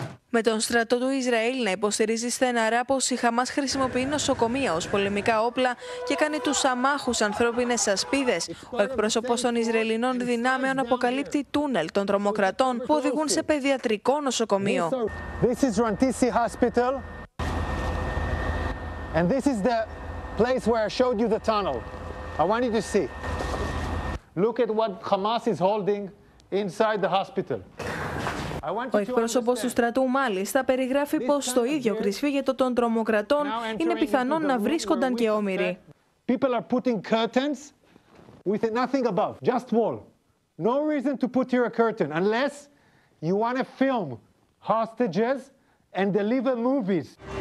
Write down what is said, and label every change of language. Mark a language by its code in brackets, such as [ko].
[el] Με τον στρατό του Ισραήλ να υποστηρίζει στεναρά πως η Χαμάς χρησιμοποιεί νοσοκομεία ως πολεμικά όπλα και κάνει τους αμάχους ανθρώπινες ασπίδες, ο εκπρόσωπος των Ισραηλινών δυνάμεων αποκαλύπτει τούνελ των τρομοκρατών που οδηγούν σε παιδιατρικό νοσοκομείο. [en] This is Rantisi Hospital. And this is the place where I showed you the tunnel. I want you to see. Look at what Hamas is holding inside the hospital. [el] Ο εκπρόσωπος του στρατού μάλιστα περιγράφει πως στο ίδιο κρυσφύγετο των τρομοκρατών είναι πιθανόν να βρίσκονταν και όμηροι. [en] People are putting curtains with nothing above, just wall. No reason to put here a curtain unless you want to film hostages and deliver movies.